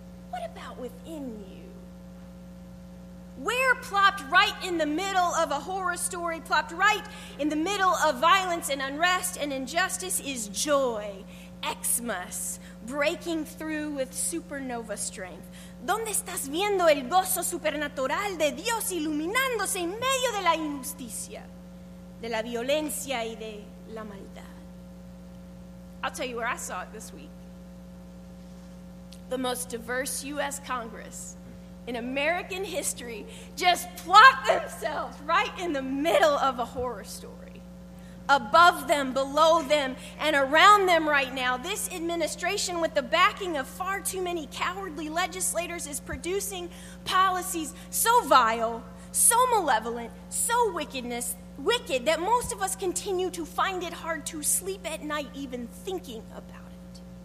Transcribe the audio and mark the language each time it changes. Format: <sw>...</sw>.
<en>What about within you? Where, plopped right in the middle of a horror story, plopped right in the middle of violence and unrest and injustice, is joy, Xmas, breaking through with supernova strength?</en> <es>¿Dónde estás viendo el gozo supernatural de Dios iluminándose en medio de la injusticia, de la violencia y de la maldad?</es> <en>I'll tell you where I saw it this week. The most diverse U.S. Congress in American history just plopped themselves right in the middle of a horror story. Above them, below them, and around them right now, this administration, with the backing of far too many cowardly legislators, is producing policies so vile, so malevolent, so wicked that most of us continue to find it hard to sleep at night even thinking about it.</en>